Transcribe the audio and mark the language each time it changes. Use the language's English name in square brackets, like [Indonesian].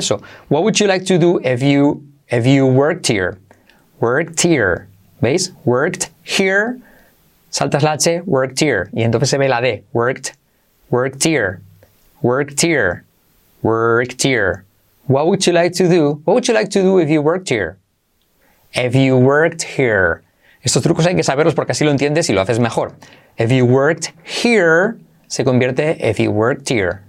[English] So, what would you like to do if you worked here? Worked here, [Spanish] ¿veis? [English] Worked here, [Spanish] Saltas la H, [English] worked here. [Spanish] Y entonces se ve la D. [English] Worked, worked here. Worked here. Worked here. What would you like to do? What would you like to do if you worked here? If you worked here. [Spanish] Estos trucos hay que saberlos porque así lo entiendes y lo haces mejor. [English] If you worked here, [Spanish] se convierte [English] if you worked here.